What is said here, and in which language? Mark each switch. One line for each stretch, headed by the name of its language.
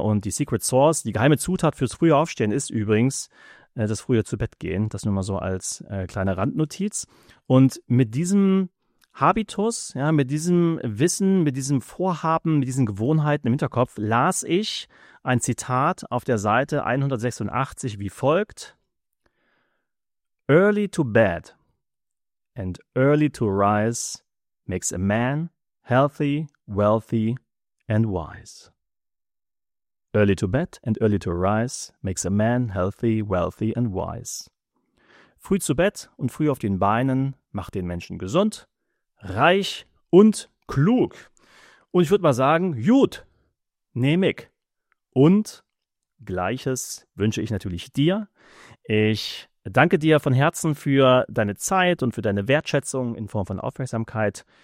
German: Und die Secret Source, die geheime Zutat fürs frühe Aufstehen ist übrigens das frühe zu Bett gehen. Das nur mal so als kleine Randnotiz. Und mit diesem Habitus, ja, mit diesem Wissen, mit diesem Vorhaben, mit diesen Gewohnheiten im Hinterkopf, las ich ein Zitat auf der Seite 186 wie folgt.
English: Early to bed and early to rise makes a man healthy, wealthy and wise. Early to bed and early to rise makes a man healthy, wealthy and wise.
German: Früh zu Bett und früh auf den Beinen macht den Menschen gesund, reich und klug. Und ich würde mal sagen, gut, nehme ich. Und Gleiches wünsche ich natürlich dir. Ich danke dir von Herzen für deine Zeit und für deine Wertschätzung in Form von Aufmerksamkeit.